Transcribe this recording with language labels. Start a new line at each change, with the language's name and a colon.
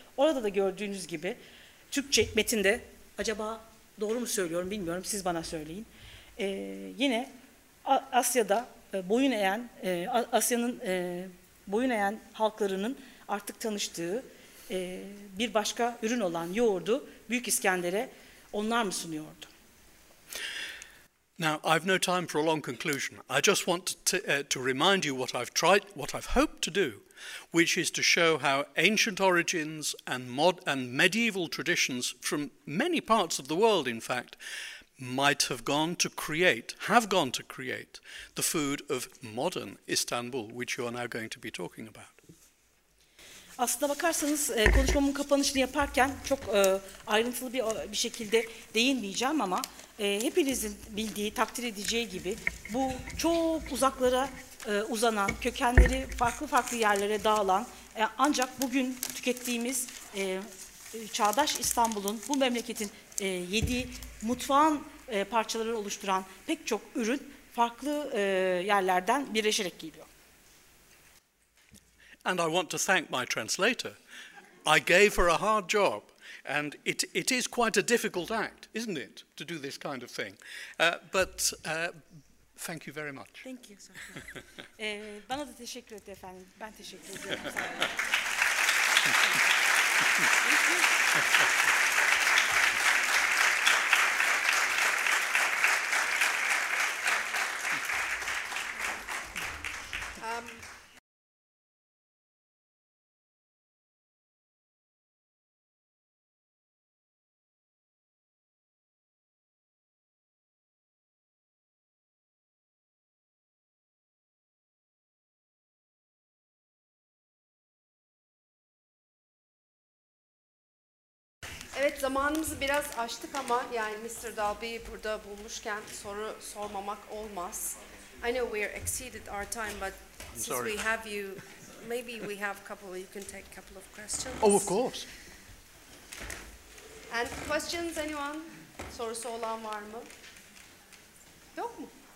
Turkish: Orada da gördüğünüz gibi Türkçe metinde, acaba doğru mu söylüyorum bilmiyorum, siz bana söyleyin. Yine Asya'da boyun eğen, Asya'nın boyun eğen halklarının artık tanıştığı bir başka ürün olan yoğurdu Büyük İskender'e onlar mı sunuyordu?
English: Now, I've no time for a long conclusion. I just want to remind you what I've tried, what I've hoped to do, which is to show how ancient origins and medieval traditions from many parts of the world, in fact, might have gone to create the food of modern Istanbul, which you are now going to be talking about.
Turkish: Aslına bakarsanız konuşmamın kapanışını yaparken çok ayrıntılı bir şekilde değinmeyeceğim ama hepinizin bildiği, takdir edeceği gibi bu çok uzaklara uzanan, kökenleri farklı farklı yerlere dağılan ancak bugün tükettiğimiz çağdaş İstanbul'un, bu memleketin yediği mutfağın parçaları oluşturan pek çok ürün farklı yerlerden birleşerek geliyor.
English: And I want to thank my translator. I gave her a hard job, and it is quite a difficult act, isn't it, to do this kind of thing? But thank you very much. Thank you, sir.
Turkish: Bana da teşekkür etti efendim. Ben teşekkür ediyorum. Evet, zamanımızı biraz aştık ama yani Mr. Dalby'yi burada bulmuşken soru sormamak olmaz.
English: I know we exceeded our time, but I'm since sorry. We have you, maybe we have a couple, you can take a couple of questions. Oh, of course. And questions, anyone?
Turkish: Sorusu olan var mı? Yok mu?